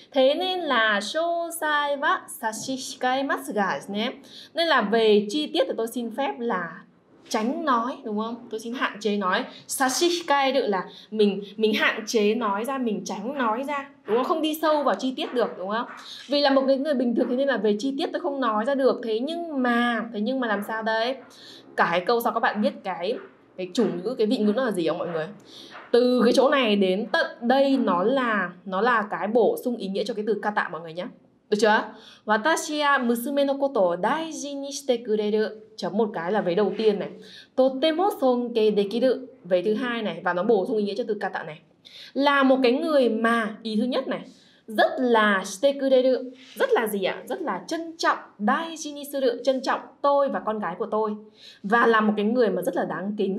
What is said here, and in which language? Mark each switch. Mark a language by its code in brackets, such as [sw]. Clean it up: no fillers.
[vi] Thế nên là [ja] 詳細は差し控えますが. [vi] Nên là về chi tiết thì tôi xin phép là tránh nói, đúng không? Tôi xin hạn chế nói. Sashikai được là mình hạn chế nói ra, mình tránh nói ra, đúng không? Không đi sâu vào chi tiết được, đúng không? Vì là một cái người bình thường, thế nên là về chi tiết tôi không nói ra được. Thế nhưng mà làm sao đấy? Cả cái câu sau các bạn biết cái chủ ngữ, cái vị ngữ nó là gì không mọi người? Từ cái chỗ này đến tận đây nó là cái bổ sung ý nghĩa cho cái từ kata mọi người nhé. Được chưa? [ja] 私は娘のことを大事にしてくれる. [vi] Chấm một cái là vế đầu tiên này. [ja] とても尊敬できる. [vi] Vế thứ hai này. Và nó bổ sung ý nghĩa cho từ kata này. Là một cái người mà, ý thứ nhất này, rất là してくれる. Rất là gì ạ? Rất là trân trọng. 大事にする. Trân trọng tôi và con gái của tôi. Và là một cái người mà rất là đáng kính.